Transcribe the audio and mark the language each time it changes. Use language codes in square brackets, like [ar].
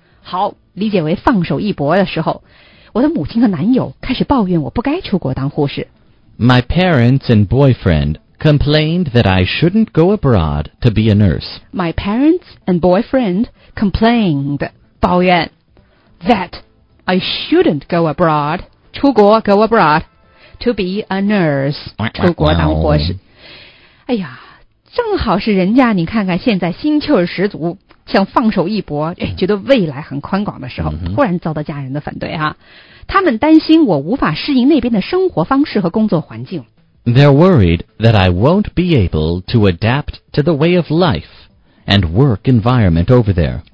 [zh] 好，理解为放手一搏的时候，我的母亲和男友开始抱怨我不该出国当护士。 [en] My parents and boyfriend. Complained that I shouldn't go abroad to be a nurse. My parents and boyfriend complained, 抱怨 that I shouldn't go abroad, 出国 go abroad, to be a nurse, [zh] 出国当护士。 [en] 哎呀，正好是人家你看看现在心气儿十足，想放手一搏，觉得未来很宽广的时候，突然遭到家人的反对啊。 [zh] 他们担心我无法适应那边的生活方式和工作环境。 [en] They're worried that I won't be able to adapt to the way of life and work environment over there.